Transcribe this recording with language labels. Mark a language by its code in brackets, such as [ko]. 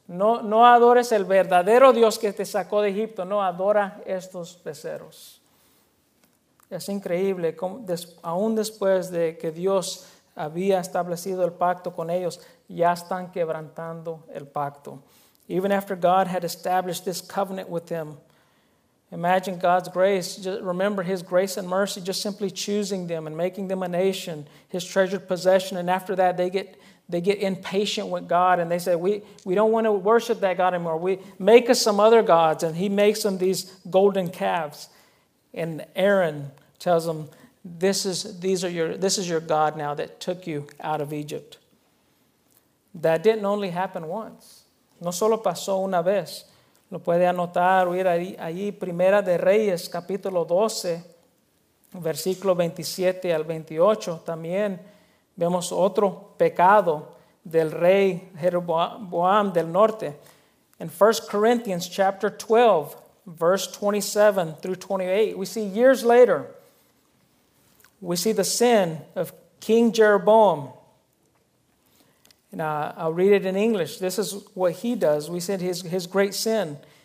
[es] No adores el verdadero Dios que te sacó de Egipto. No, adora estos becerros. Es increíble, aún después de que Dios había establecido el pacto con ellos, ya están quebrantando el pacto. [en] Even after God had established this covenant with them, imagine God's grace. Just remember His grace and mercy, just simply choosing them and making them a nation, His treasured possession. And after that, they get impatient with God, and they say, "We don't want to worship that God anymore. We make us some other gods." And He makes them these golden calves. And Aaron tells them, This is your God now that took you out of Egypt. That didn't only happen once. [es] No solo pasó una vez. Lo puede anotar o ir allí, Primera de Reyes, capítulo 12, versículo 27 al 28. También vemos otro pecado del rey Jeroboam del norte. [en] In 1 Corinthians chapter 12, verse 27 through 28, we see years later, we see the sin of King Jeroboam. Now, I'll read it in English. This is what he does. We said his great sin.